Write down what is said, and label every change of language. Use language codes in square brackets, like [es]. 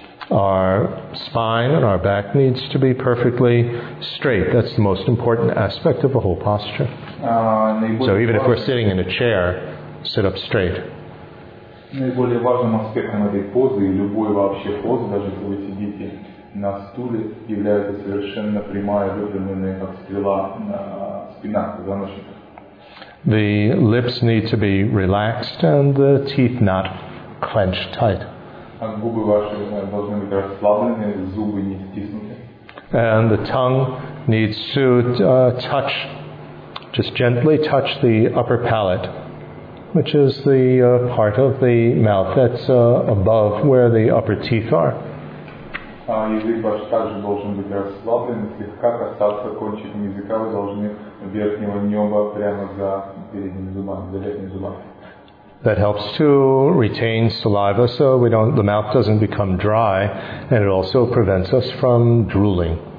[en] Our spine and our back needs to be perfectly straight. That's the most important aspect of the whole posture. So even if we're sitting in a chair, sit up straight. [ru] Наиболее важным аспектом этой позы и любой вообще позы, даже если вы сидите на стуле, является совершенно прямая, выпрямленная как стрела спина, позвоночник. [en] The lips need to be relaxed and the teeth not clenched tight. [ru] Губы ваши должны быть расслаблены, зубы не стиснуты. [en] And the tongue needs to touch, just gently touch the upper palate, which is the part of the mouth that's above where the upper teeth are. [ru] Язык ваш также должен быть расслаблен, слегка касаться кончиком языка, вы должны верхнего неба прямо за передними зубами, за верхними зубами. [en] That helps to retain saliva so we don't, the mouth doesn't become dry, and it also prevents us from drooling.